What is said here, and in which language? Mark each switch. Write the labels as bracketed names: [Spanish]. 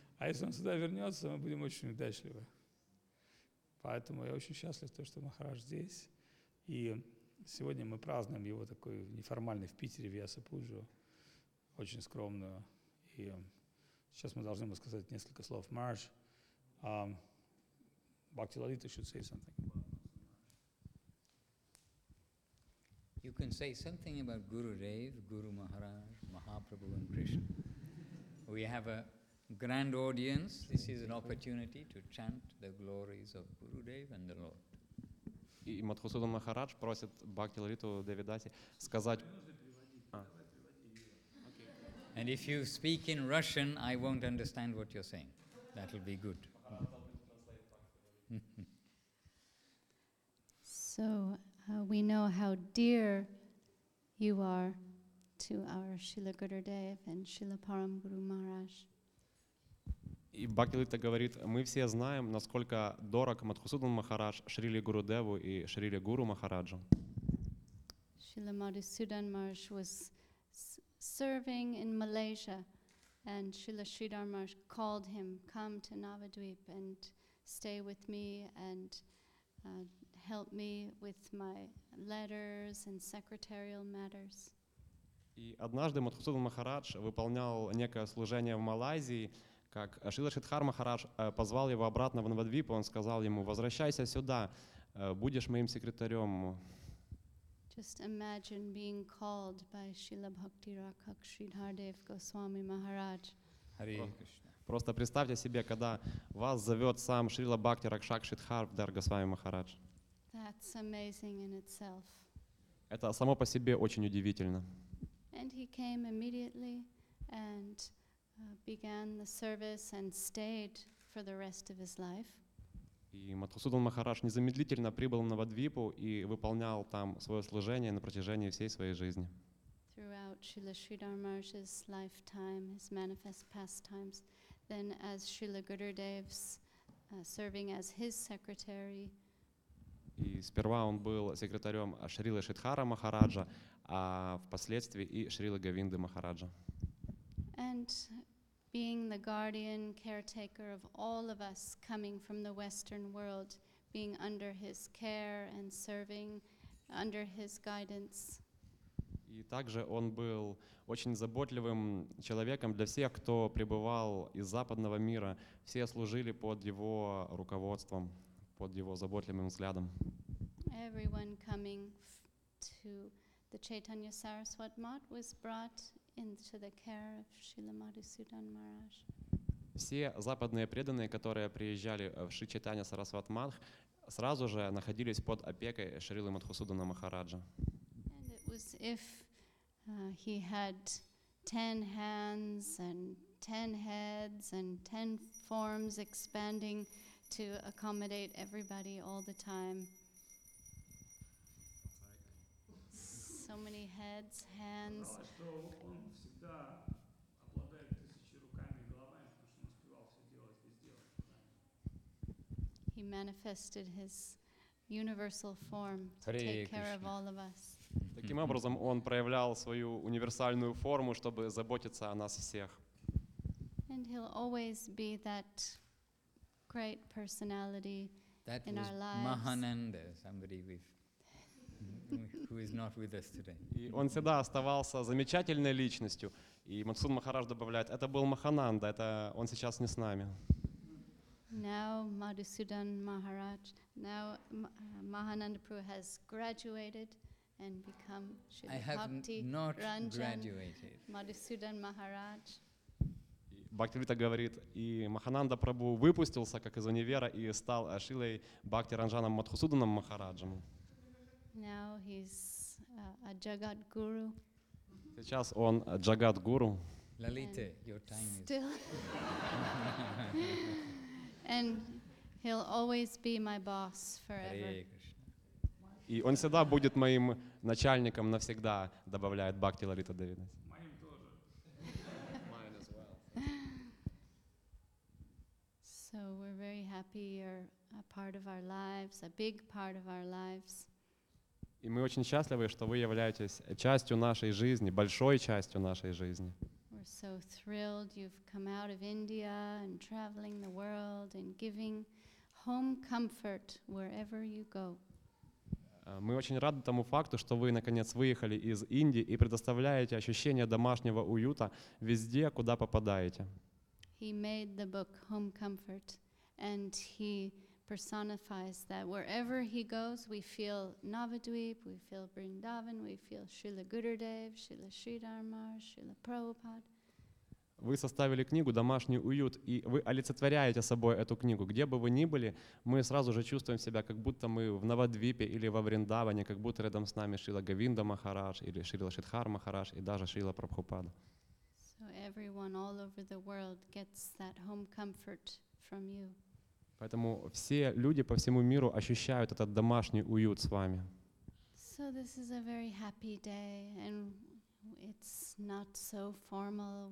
[Russian] А если он сюда вернется, мы будем очень удачливы. Поэтому я очень счастлив, что Махарадж здесь. И сегодня мы празднуем его такой неформальный в Питере, в Ясапуджу. Очень скромную. И сейчас мы должны ему сказать несколько слов. Марш. [English] Бхакти Лалита should say something. You can say something about Guru Dev, Guru Maharaj, Mahaprabhu and Krishna. We have a grand audience. This is an opportunity to chant the glories of Guru Dev and the Lord. [Russian] И Мадхусудан Махарадж просит Бхакти Лалиту Девидаси сказать... [English] And if you speak in Russian, I won't understand what you're saying. That will be good. So, we know how dear you are to our Srila Gurudev and Srila Param Guru Maharaj. [Russian] И Бхакти Лалита говорит, мы все знаем, насколько дорог Мадхусудан Махарадж Шрили Гуру Деву и Шрили Гуру Махараджу. [English] Шрила Мадхусудан Махарадж was serving in Malaysia, and Шрила Шридхар Махарадж called him, come to Navadvip and stay with me and help me with my letters and secretarial matters. [Russian] И однажды Мадхусудан Махарадж выполнял некое служение в Малайзии, как Шрила Шридхар Махарадж позвал его обратно в Навадвип, он сказал ему, возвращайся сюда, будешь моим секретарем. [English] Just imagine being called by Shila Bhakti Rakak Sridhardev Goswami Maharaj. Hare Krishna. [Russian] Просто представьте себе, когда вас зовет сам Шрила Бхакти Ракшак Шридхардар Госвами Махарадж. [English] That's amazing in itself. [Russian] Это само по себе очень удивительно. [English] And he came immediately and began the service and stayed for the rest of his life. [Russian] И Мадхусудан Махарадж незамедлительно прибыл в Навадвипу и выполнял там свое служение на протяжении всей своей жизни. [English] Throughout Srila Sridhar Maharaj's lifetime, his manifest pastimes, then as Srila Gurudev's serving as his secretary. [Russian] И сперва он был секретарем Шрилы Шридхара Махараджа, а впоследствии и Шрилы Говинды Махараджа. [English] And being the guardian caretaker of all of us coming from the Western world, being under his care and serving under his guidance. [Russian] И также он был очень заботливым человеком для всех, кто пребывал из западного мира. Все служили под его руководством, под его заботливым взглядом. [English] Everyone coming to the Chaitanya Saraswat Math was brought into the care of Srila Madhusudan Maharaj. [Russian] Все западные преданные, которые приезжали в Шри Чайтанья Сарасват Матх, сразу же находились под опекой Шрилы Мадхусудана Махараджа. [English] And it was if he had 10 hands and 10 heads and 10 forms expanding to accommodate everybody all the time. So many heads, hands. He manifested his universal form to take care of all of us. [Russian] Таким образом, он проявлял свою универсальную форму, чтобы заботиться о нас всех. [English] And he'll always be that great personality that in our lives. Mahananda, somebody with. Who is not with us today. [Russian] И он всегда оставался замечательной личностью. И Мадхусудан Махарадж добавляет, это был Махананда, это он сейчас не с нами. [English] Now Madhusudan Maharaj, now Mahananda Prabhu has graduated and become Shri Bhakti Ranjan Madhusudan Maharaj. [Russian] Бхактивита говорит, и Махананда Прабху выпустился как из универа и стал Шрилой Бхакти Ранжаном Мадхусуданом Махараджем. [English] Now he's a jagat guru. [Russian] Сейчас он jagat guru. [English] Lalita, your time still is still. And he'll always be my boss forever. [Russian] И он всегда будет моим начальником навсегда, добавляет Бхакти Лалита Девина. Моим тоже. [English] Mine as well. So we're very happy you're a part of our lives, a big part of our lives. [Russian] И мы очень счастливы, что вы являетесь частью нашей жизни, большой частью нашей жизни. [English] We're so thrilled you've come out of India and traveling the world and giving home comfort wherever you go. [Russian] Мы очень рады тому факту, что вы наконец выехали из Индии и предоставляете ощущение домашнего уюта везде, куда попадаете. [English] He made the book Home Comfort and he personifies that wherever he goes, we feel Navadvip, we feel Vrindavan, we feel Srila Gurudev, Srila Sridhar Maharaj, Srila Prabhupada. [Russian] Вы составили книгу «Домашний уют», и вы олицетворяете собой эту книгу. Где бы вы ни были, мы сразу же чувствуем себя, как будто мы в Навадвипе или во Вриндаване, как будто рядом с нами Шрила Говинда Махарадж или Шрила Шридхар Махарадж и даже Шрила Прабхупада. [English] So everyone all over the world gets that home comfort from you. [Russian] Поэтому все люди по всему миру ощущают этот домашний уют с вами. [English] So this is a very happy day, and it's not so formal.